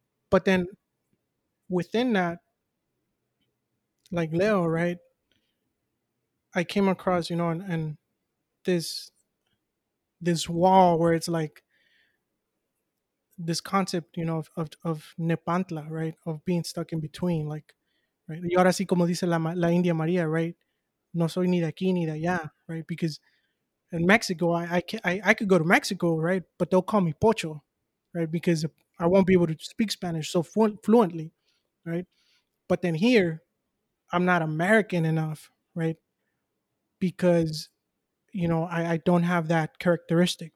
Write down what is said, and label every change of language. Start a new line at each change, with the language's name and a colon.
English: But then within that, like Leo, right, I came across, you know, and this wall where it's like this concept, you know, of Nepantla, right, of being stuck in between, like, right?
Spanish: Y ahora sí, como dice la India María, right? No soy ni de aquí ni de allá, right?
English: Because in Mexico, I could go to Mexico, right? But they'll call me Pocho, right? Because I won't be able to speak Spanish so fluently, right? But then here, I'm not American enough, right? Because, you know, I don't have that characteristic.